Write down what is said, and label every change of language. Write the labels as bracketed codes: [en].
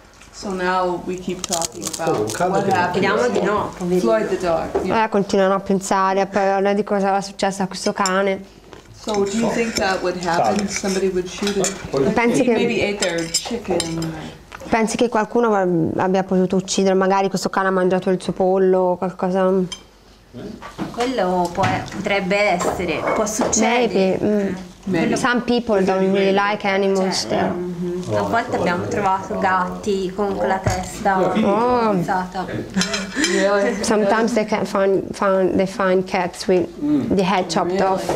[en] So now we keep talking about what happened. [it] Vediamo di no. [en] Floyd the dog. [it] Continuano a pensare a parlare di cosa è successo a questo cane. [en] So do you think that would happen? Somebody would shoot him? [it] Pensi che [en] maybe ate their chicken. [it] Pensi che qualcuno abbia potuto uccidere? Magari questo cane ha mangiato il suo pollo o qualcosa. Quello potrebbe essere, può succedere. [en] Maybe. Maybe. Some people don't really like animals. Cioè, there. Mm-hmm. [it] Oh, a volte abbiamo trovato gatti con la testa alzata. [en] Sometimes they can find cats with the head chopped off.